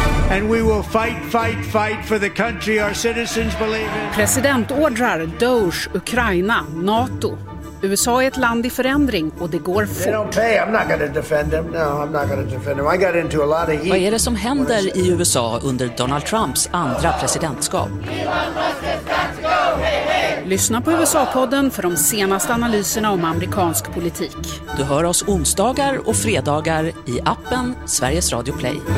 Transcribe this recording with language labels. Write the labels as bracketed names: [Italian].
[English] And we will fight for the country our citizens believe in. [Swedish] Presidentordrar, DOGE, Ukraina, NATO. USA är ett land i förändring och det går fort. [English] They don't pay. I'm not going to defend them. No, I'm not going to defend them. I got into a lot of heat. [Swedish] Vad är det som händer i USA under Donald Trumps andra presidentskap? Lyssna på USA-podden för de senaste analyserna om amerikansk politik. Du hör oss onsdagar och fredagar i appen Sveriges Radio Play.